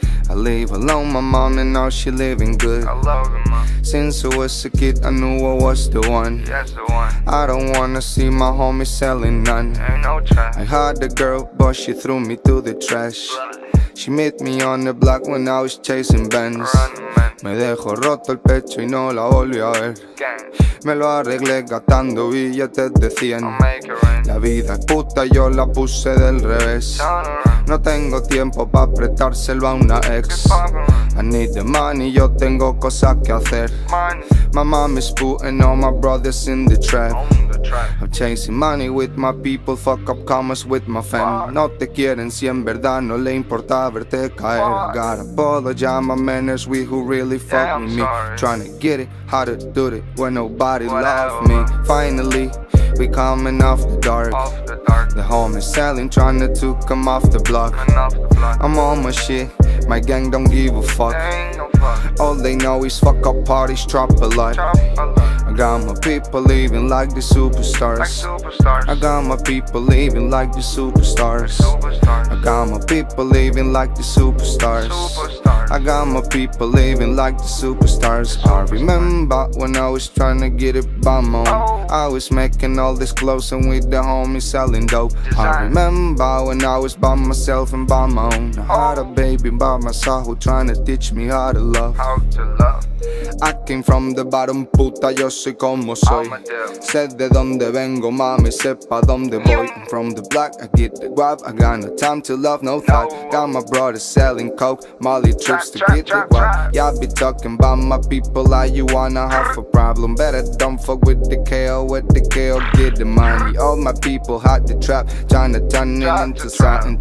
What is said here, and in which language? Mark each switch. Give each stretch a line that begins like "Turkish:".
English: I live alone, my mom, and now she living good. I love her, mom. Since I was a kid, I knew I was the one. Yes, the one. I don't wanna see my homies selling none. Ain't no trash. I had a girl, but she threw me to the trash. She met me on the block when I was chasing Benz.
Spanish: Me dejo roto el pecho y no la volví a ver. Me lo arreglé gastando billetes de 100. La vida es puta, yo la puse del revés. No tengo tiempo pa' prestárselo a una ex. I need the money, yo tengo cosas que hacer.
English: My mom is putting all my brothers in the trap. I'm chasing money with my people, fuck up commas with my fam.
Spanish: No te quieren si en verdad no le importa verte caer.
English: I got a bottle, yeah, my manners, we who really fuck yeah, with me. Trying to get it, how to do it, when nobody love me. Finally, We coming off the dark. The homie selling, tryna to come off the block. I'm on my shit, my gang don't give a fuck. All they know is fuck up parties, drop a lot. I got my people living like the superstars. I got my people living like the superstars. I got my people living like the superstars. I got my people living like the superstars. I remember when I was trying to get it by my own. I was making all this clothes and with the homies selling dope. I remember when I was by myself and by my own. I had a baby by my side who trying to teach me how to love. I came from the bottom, puta, yo soy como soy.
Spanish: Sé de donde vengo, mami, sepa donde voy.
English: I'm from the block, I get the guap. I got no time to love, no thought. Got my brother selling coke, Molly trips to get the guap. Yeah, I be talking about my people, like you wanna have a problem. Better don't fuck with the KO, get the money. All my people hot the trap, tryna turn it into something.